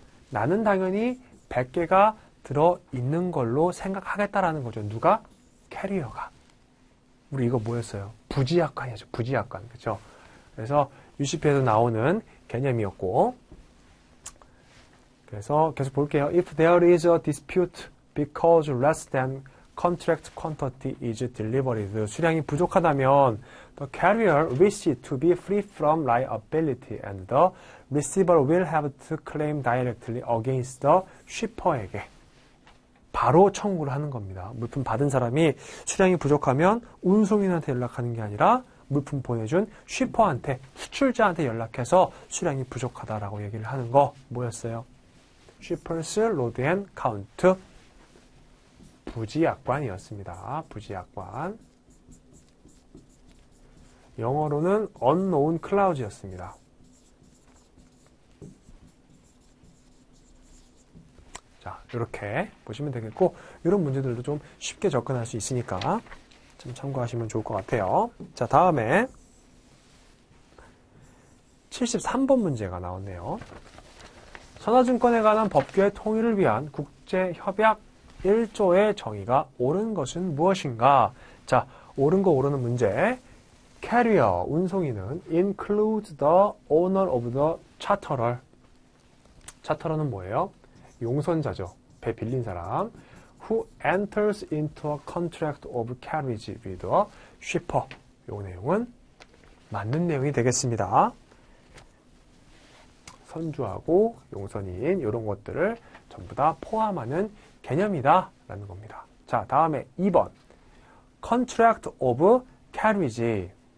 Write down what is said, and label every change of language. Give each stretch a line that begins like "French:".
Korean: 나는 당연히 100개가 들어있는 걸로 생각하겠다라는 거죠. 누가? 캐리어가. 우리 이거 뭐였어요? 부지약관이었죠. 부지약관. 그렇죠? 그래서 UCP에서 나오는 개념이었고. 그래서 계속 볼게요.
English: If there is a dispute because less than Contract quantity is delivered.
Korean: 수량이 부족하다면,
English: the carrier wishes to be free from liability and the receiver will have to claim directly against the shipper에게.
Korean: 바로 청구를 하는 겁니다. 물품 받은 사람이 수량이 부족하면 운송인한테 연락하는 게 아니라 물품 보내준 shipper한테, 수출자한테 연락해서 수량이 부족하다라고 얘기를 하는 거 뭐였어요?
English: Shippers load and count.
Korean: 부지약관이었습니다. 부지약관. 영어로는 unknown clause였습니다. 자, 이렇게 보시면 되겠고, 이런 문제들도 좀 쉽게 접근할 수 있으니까 좀 참고하시면 좋을 것 같아요. 자, 다음에 73번 문제가 나왔네요. 선화증권에 관한 법규의 통일을 위한 국제협약 1조의 정의가 옳은 것은 무엇인가? 자, 옳은 거 옳은 문제.
English: Carrier, 운송인은 include the owner of the charterer.
Korean: Charterer는 뭐예요? 용선자죠. 배 빌린 사람.
English: Who enters into a contract of carriage with a shipper.
Korean: 요 내용은 맞는 내용이 되겠습니다. 선주하고 용선인, 요런 것들을 전부 다 포함하는 개념이다. 라는 겁니다. 자, 다음에 2번. Contract of carriage.